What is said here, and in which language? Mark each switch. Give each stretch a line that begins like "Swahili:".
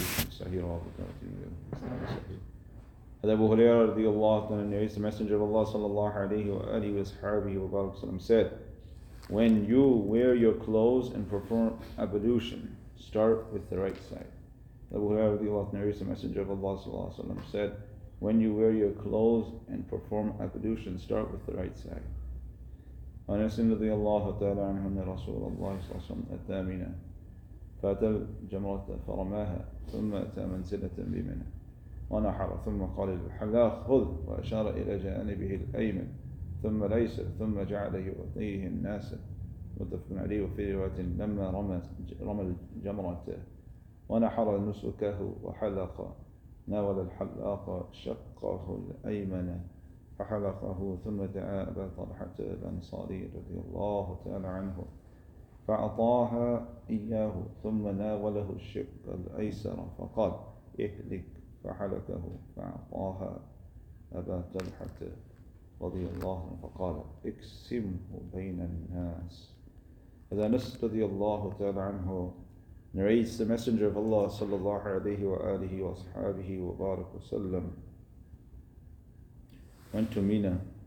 Arabic: صحيح رواه الترمذي وإسناده صحيح. هذا أبو هريرة رضي الله عنه النبي صلى الله عليه وسلم صلى الله عليه وآله وصحبه وبارك وسلم
English: said, when you wear your clothes and perform ablution, start with the right side. Abu Hurairah رضي الله عنه, the Messenger of Allah صلى الله عليه وسلم said, when you wear your clothes and perform ablution, start with the right side.
Arabic: أنس رضي الله تعالى عنه أن رسول الله صلى الله عليه وسلم أتى منى فأتى الجمرة فرماها ثم أتى منزلة بمنى ونحر ثم قال للحلاق خذ وأشار إلى جانبه الأيمن ثم ليس ثم جعل يعطيه الناس. متفق عليه. وفي رواية لما رمى الجمرة ونحر نسكه وحلق ناول الحلاق شقه الأيمن فحلقه ثم دعا أبا طلحة الأنصاري رضي الله تعالى عنه فأعطاها إياه ثم ناوله الشق الأيسر فقال اهلك فحلقه فأعطاها أبا طلحة رضي الله عنه فقال اقسمه بين الناس. هذا أنس رضي الله تعالى عنه
English: narrates the Messenger of Allah sallallahu alayhi wa alihi wa sahabihi wa barak wa sallam went to Mina.